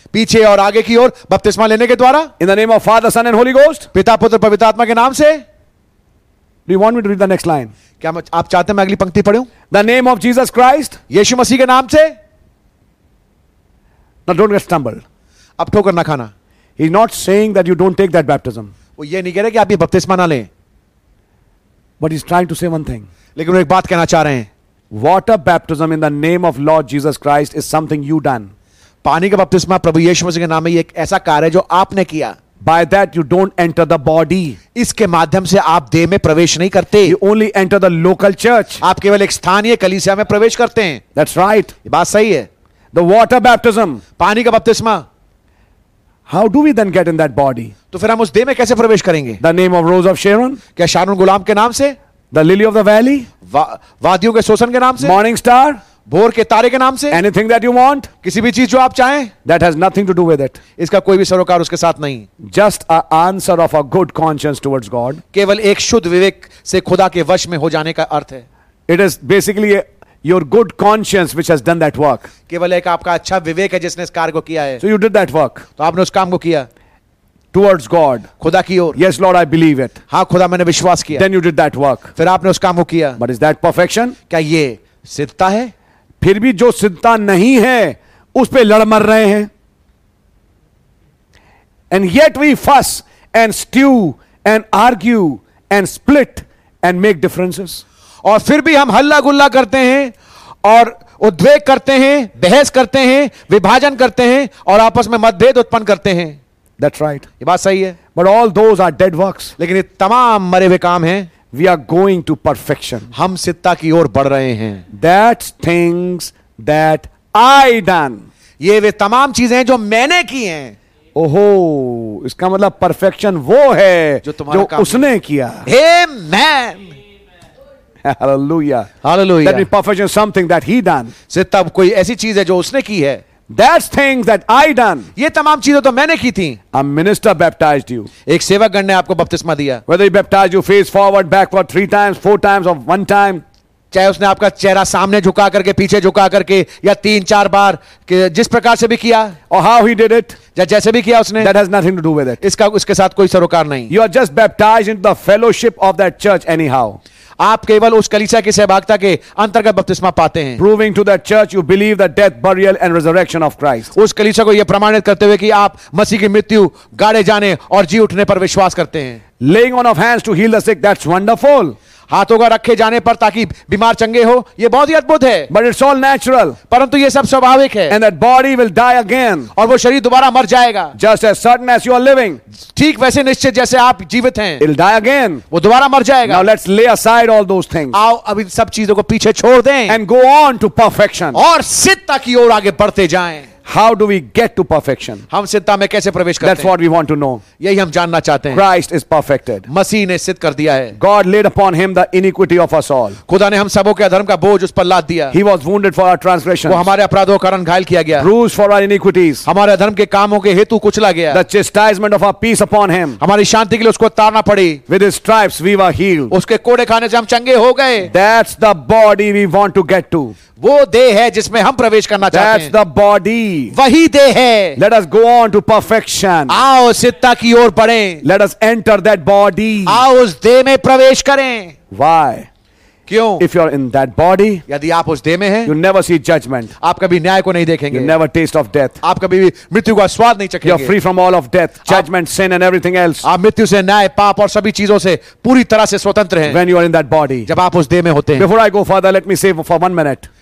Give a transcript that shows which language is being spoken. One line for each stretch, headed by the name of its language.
Hindi: पीछे और आगे की ओर बपतिस्मा लेने के द्वारा?
English: In the name of Father, Son and Holy Ghost,
Hindi: पिता पुत्र पवित्र आत्मा के नाम से?
English: Do you want me to read the next line?
Hindi: क्या आप चाहते हैं मैं अगली पंक्ति पढ़ूं?
English: the name of Jesus Christ,
Hindi: यीशु मसीह के नाम से।
English: now don't get stumbled,
Hindi: अब ठोकर ना खाना।
English: he is not saying that you don't take that baptism,
Hindi: वो ये नहीं कह रहे कि आप ये बपतिस्मा ना लें,
English: but is trying to say one thing,
Hindi: लेकिन वो एक बात कहना चाह रहे हैं।
English: water baptism in the name of Lord Jesus Christ is something you done,
Hindi: पानी का बपतिस्मा प्रभु यीशु मसीह के नाम में ये एक ऐसा कार्य है जो आपने किया।
English: By that you don't enter the body,
Hindi: इसके माध्यम से आप देह में प्रवेश नहीं करते।
English: You only enter the local church,
Hindi: आप केवल एक स्थानीय कलीसिया में प्रवेश करते हैं।
English: That's right,
Hindi: ये बात सही है।
English: The water baptism,
Hindi: पानी का बपतिस्मा।
English: How do we then get in that body,
Hindi: तो फिर हम उस देह में कैसे प्रवेश करेंगे?
English: The name of Rose of Sharon,
Hindi: क्या शारून गुलाम के नाम से?
English: The lily of the valley,
Hindi: वादियों के शोषण के नाम से?
English: Morning star,
Hindi: भोर के तारे के नाम से?
English: Anything that you want,
Hindi: किसी भी चीज जो आप चाहें?
English: That has nothing to do with it,
Hindi: इसका कोई भी सरोकार उसके साथ नहीं।
English: Just a answer of a good conscience towards God,
Hindi: केवल एक शुद्ध विवेक से खुदा के वश में हो जाने का अर्थ है।
English: It is basically your good conscience which has done that work,
Hindi: केवल एक आपका अच्छा विवेक है जिसने इस कार्य को किया है।
English: So you did that work,
Hindi: तो आपने उस काम को किया।
English: Towards God,
Hindi: खुदा की ओर।
English: Yes, Lord, I believe it,
Hindi: हाँ खुदा मैंने विश्वास किया।
English: Then you did that work,
Hindi: फिर आपने उस काम को किया।
English: But is that perfection,
Hindi: क्या ये सिद्धता है? फिर भी जो सिद्धता नहीं है उस पर लड़ मर रहे हैं।
English: and yet we fuss and stew and argue and split and make differences,
Hindi: और फिर भी हम हल्ला गुल्ला करते हैं और उद्वेग करते हैं, बहस करते हैं, विभाजन करते हैं और आपस में मतभेद उत्पन्न करते हैं।
English: that's right,
Hindi: ये बात सही है।
English: but all those are dead works,
Hindi: लेकिन ये तमाम मरे हुए काम है।
English: We are going to perfection,
Hindi: हम सिद्धता की ओर बढ़ रहे हैं।
English: That's things that I done,
Hindi: ये वे तमाम चीजें हैं जो मैंने की हैं। ओहो, इसका मतलब परफेक्शन वो है जो तुम्हारा जो उसने किया।
English: Amen. Hallelujah. Hallelujah. Let me perfection something that he done,
Hindi: सिद्धता कोई ऐसी चीज है जो उसने की है।
English: That's things that I done.
Hindi: ये तमाम चीजें तो मैंने की थी.
English: A minister baptized you.
Hindi: एक सेवकगण ने आपको बपतिस्मा दिया.
English: Whether he baptized you face forward, backward, three times, four times, or one time.
Hindi: चाहे उसने आपका चेहरा सामने झुका करके पीछे झुका करके या तीन चार बार के जिस प्रकार से भी किया
English: or how he did it,
Hindi: या जैसे भी किया उसने
English: that has nothing to do with it.
Hindi: इसका उसके साथ कोई सरोकार नहीं.
English: You are just baptized into the fellowship of that church anyhow.
Hindi: आप केवल उस कलीसिया की सहभागिता के अंतर्गत बपतिस्मा पाते हैं.
English: Proving to that church you believe the death, burial and resurrection of Christ.
Hindi: उस कलीसिया को यह प्रमाणित करते हुए कि आप मसीह की मृत्यु गाड़े जाने और जी उठने पर विश्वास करते हैं.
English: Laying on of hands to heal the sick, that's wonderful.
Hindi: हाथों का रखे जाने पर ताकि बीमार चंगे हो ये बहुत ही अद्भुत है.
English: But it's all natural.
Hindi: परंतु ये सब स्वाभाविक है.
English: And that body will die again.
Hindi: और वो शरीर दोबारा मर जाएगा.
English: Just as certain as you are living.
Hindi: ठीक वैसे निश्चित जैसे आप जीवित हैं.
English: It'll die again.
Hindi: वो दोबारा मर जाएगा.
English: Now let's lay aside all those things.
Hindi: आओ अब इन सब चीजों को पीछे छोड़ दें.
English: And go on to perfection.
Hindi: और सिद्धता की ओर आगे बढ़ते जाएं.
English: How do we get to perfection?
Hindi: हम सिद्धता में कैसे प्रवेश करते हैं?
English: That's what we want to know.
Hindi: यही हम जानना चाहते हैं.
English: Christ is perfected.
Hindi: मसीह ने सिद्ध कर दिया है.
English: God laid upon him the iniquity of us all.
Hindi: खुदा ने हम सबों के अधर्म का बोझ उस पर लाद दिया.
English: He was wounded for our transgressions.
Hindi: वो हमारे अपराधों के कारण घायल किया गया.
English: Bruised for our iniquities.
Hindi: हमारे अधर्म के कामों के हेतु कुचला गया.
English: The chastisement of our peace upon him.
Hindi: हमारी शांति के लिए उसको तारना पड़ी.
English: With his stripes we were healed.
Hindi: उसके कोड़े खाने से हम चंगे हो गए.
English: That's the body we want to get to.
Hindi: वो देह है जिसमें हम प्रवेश करना चाहते हैं.
English: That's the body.
Hindi: वही देह है.
English: Let us go on to perfection.
Hindi: आओ सिद्धता की ओर बढ़ें.
English: Let us enter that body.
Hindi: आओ उस देह में प्रवेश करें.
English: Why?
Hindi: क्यों?
English: If you are in that body,
Hindi: यदि आप उस देह में हैं,
English: you never see judgment.
Hindi: आप कभी न्याय को नहीं देखेंगे.
English: You never taste of death.
Hindi: आप कभी भी मृत्यु का स्वाद नहीं चखेंगे.
English: You are free from all of death, judgment, sin and everything else.
Hindi: आप मृत्यु से, न्याय, पाप और सभी चीजों से पूरी तरह से स्वतंत्र हैं.
English: When you are in that body,
Hindi: जब आप उस देह में होते हैं.
English: Before I go further, let me say for one minute.